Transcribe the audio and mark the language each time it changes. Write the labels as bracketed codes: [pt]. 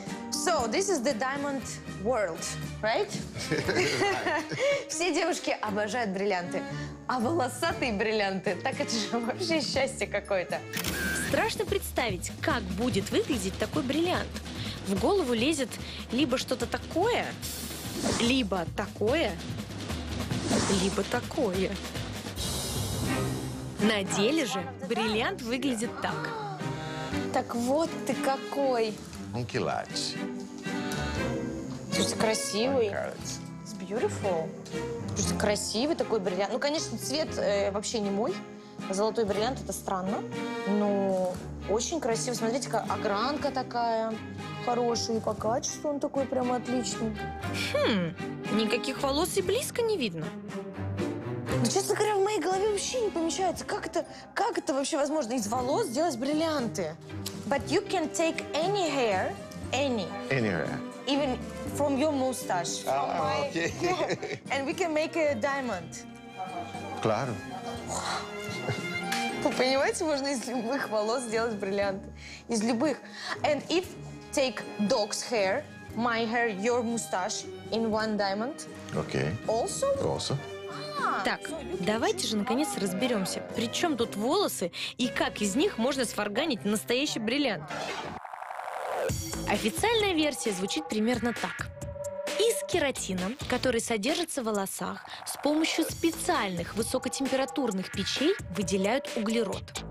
[en] So, this is the diamond world, right? [ru] Все девушки обожают бриллианты. А волосатые бриллианты, так это же вообще счастье какое-то. Страшно представить, как будет выглядеть такой бриллиант. В голову лезет либо что-то такое, либо такое, либо такое. На деле же бриллиант выглядит так. Так вот ты какой. Он килач. Тут красивый. [en] It's beautiful. [ru] Тут красивый такой бриллиант. Ну, конечно, цвет вообще не мой. Золотой бриллиант – это странно. Но очень красивый. Смотрите, какая огранка такая. Хорошая. И по качеству он такой прямо отличный. Никаких волос и близко не видно. Ну, честно говоря, в моей голове вообще не помещается. Как это вообще возможно? Из волос сделать бриллианты? [en] But you can take any hair, any. Any hair. Even from your moustache. Ah, my... okay. And we can make a diamond. [es] Claro. [ru] Вы понимаете, можно из любых волос сделать бриллианты. Из любых. [en] And if take dog's hair, my hair, your moustache in one diamond. Okay. Also? Also. [ru] Так, давайте же наконец разберемся, при чем тут волосы и как из них можно сварганить настоящий бриллиант. Официальная версия звучит примерно так. Из кератином, который содержится в волосах, с помощью специальных высокотемпературных печей выделяют углерод.